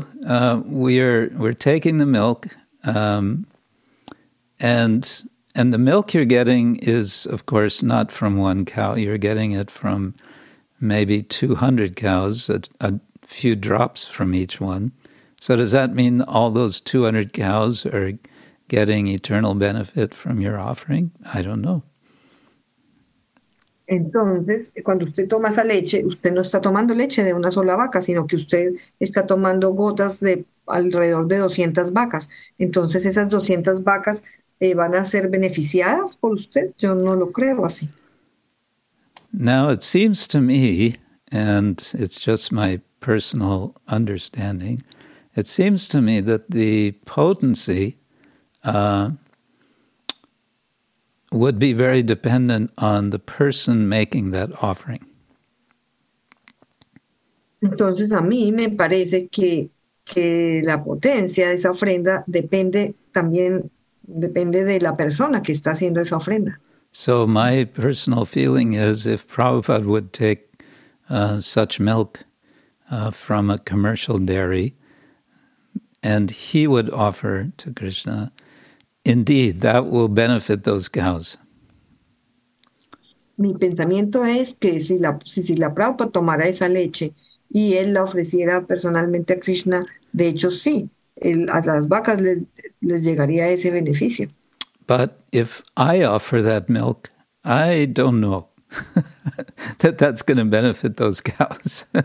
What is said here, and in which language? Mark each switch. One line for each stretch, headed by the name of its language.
English: So we're taking the milk, and the milk you're getting is, of course, not from one cow. You're getting it from maybe 200 cows, a few drops from each one. So does that mean all those 200 cows are getting eternal benefit from your offering? I don't know.
Spanish: Entonces, cuando usted toma esa leche, usted no está tomando leche de una sola vaca, sino que usted está tomando gotas de alrededor de 200 vacas. Entonces, esas 200 vacas van a ser beneficiadas por usted. Yo no lo creo así.
English: Now, it seems to me, and it's just my personal understanding, it seems to me that the potency would be very dependent on the person making that offering.
Spanish: Entonces a mí me parece que la potencia de esa ofrenda depende de la persona que está haciendo esa ofrenda.
English: So my personal feeling is if Prabhupada would take such milk from a commercial dairy and he would offer to Krishna, indeed, that will benefit those cows.
Spanish: Mi pensamiento es que si la Prabhupada tomara esa leche y él la ofreciera personalmente a Krishna, de hecho sí, a las vacas les llegaría ese beneficio.
English: But if I offer that milk, I don't know that that's going to benefit those cows.